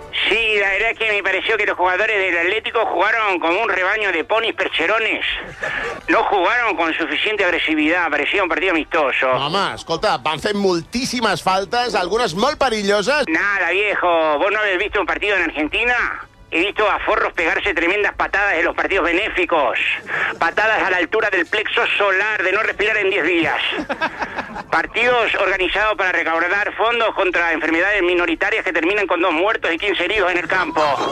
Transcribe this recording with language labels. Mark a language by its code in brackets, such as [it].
[es] Sí, la verdad es que me pareció que los jugadores del Atlético jugaron como un rebaño de ponis percherones. No jugaron con suficiente agresividad, parecía un partido amistoso. [ca] Mamá, escolta, van fer moltíssimes faltes, algunas molt perilloses. [es] Nada, viejo, ¿vos no habéis visto un partido en Argentina? he visto a forros pegarse tremendas patadas en los partidos benéficos. Patadas a la altura del plexo solar, de no respirar en 10 días. Partidos organizados para recaudar fondos contra enfermedades minoritarias que terminan con 2 muertos y 15 heridos en el campo.